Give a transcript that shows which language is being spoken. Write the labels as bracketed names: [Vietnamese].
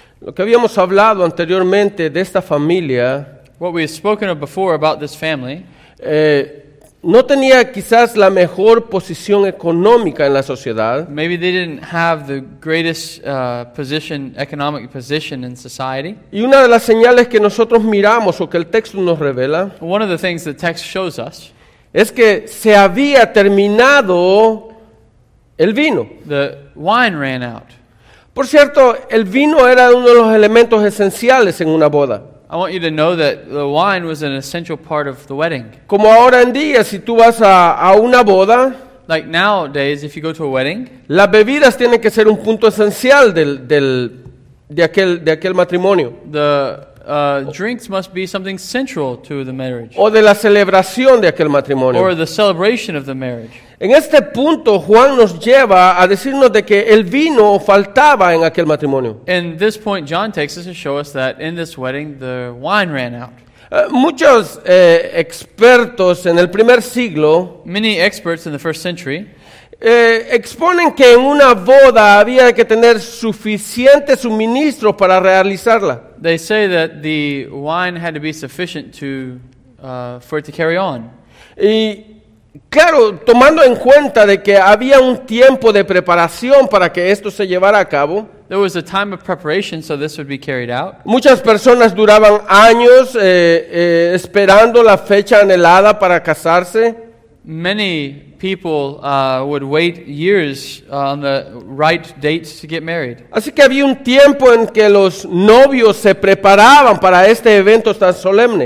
[Spanish] Lo que habíamos hablado anteriormente de esta familia. [English] What we have spoken of before about this family. [Spanish] No tenía quizás la mejor posición económica en la sociedad. [English] Maybe they didn't have the greatest position, economic position in society. [Spanish] Y una de las señales que nosotros miramos o que el texto nos revela, [English] one of the things the text shows us, [Spanish] es que se había terminado el vino. [English] The wine ran out. [Spanish] Por cierto, el vino era uno de los elementos esenciales en una boda. [English] I want you to know that the wine was an essential part of the wedding. [Spanish] Como ahora en día, si tú vas a una boda, [English] like nowadays, if you go to a wedding, [Spanish] las bebidas tienen que ser un punto esencial de aquel matrimonio. [English] The drinks must be something central to the marriage. [Spanish] O de la celebración de aquel matrimonio. [English] Or the celebration of the marriage. [Spanish] En este punto, Juan nos lleva a decirnos de que el vino faltaba en aquel matrimonio. [English] In this point, John takes us to show us that in this wedding, the wine ran out. [Spanish] Muchos expertos en el primer siglo, [English] many experts in the first century, [Spanish] exponen que en una boda había que tener suficiente suministro para realizarla. [English] They say that the wine had to be sufficient to for it to carry on. [Spanish] Y claro, tomando en cuenta de que había un tiempo de preparación para que esto se llevara a cabo. [English] There was a time of preparation so this would be carried out. [Spanish] Muchas personas duraban años esperando la fecha anhelada para casarse. [English] Many people would wait years on the right dates to get married. [Spanish] Así que había un tiempo en que los novios se preparaban para este evento tan solemne.